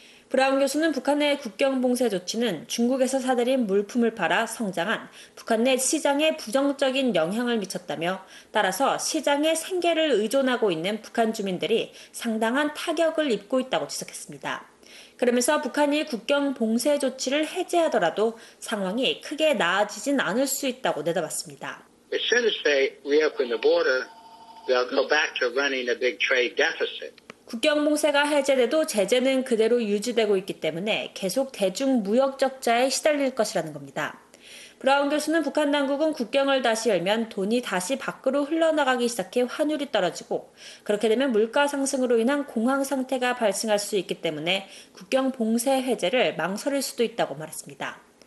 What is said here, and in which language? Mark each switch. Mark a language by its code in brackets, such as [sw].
[ko] 브라운 교수는 북한의 국경 봉쇄 조치는 중국에서 사들인 물품을 팔아 성장한 북한 내 시장에 부정적인 영향을 미쳤다며 따라서 시장의 생계를 의존하고 있는 북한 주민들이 상당한 타격을 입고 있다고 지적했습니다. 그러면서 북한이 국경 봉쇄 조치를 해제하더라도 상황이 크게 나아지진 않을 수 있다고 내다봤습니다. [en] As soon as they reopen the border, they'll go back to running a big trade deficit. [ko] 국경 봉쇄가 해제돼도 제재는 그대로 유지되고 있기 때문에 계속 대중 무역 적자에 시달릴 것이라는 겁니다. 브라운 교수는 북한 당국은 국경을 다시 열면 돈이 다시 밖으로 흘러나가기 시작해 환율이 떨어지고 그렇게 되면 물가 상승으로 인한 공황 상태가 발생할 수 있기 때문에 국경 봉쇄 해제를 망설일 수도 있다고 말했습니다.